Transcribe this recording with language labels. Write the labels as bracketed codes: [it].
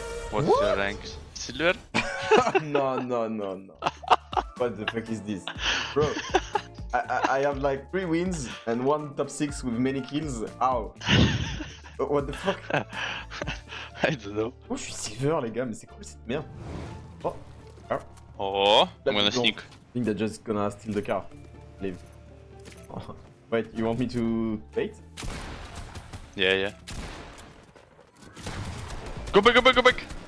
[en] What's your ranks? Silver? No. What the fuck is this? Bro, I have like 3 wins and 1 top 6 with many kills. How? What the fuck? I don't know. [fr] Oh, je suis silver, les gars, mais c'est quoi cette merde? [en] Oh, ah. Oh, I'm gonna sneak. I think they're just gonna steal the car. Leave. Wait, you want me to bait? Yeah, yeah. Go back, go back, go back!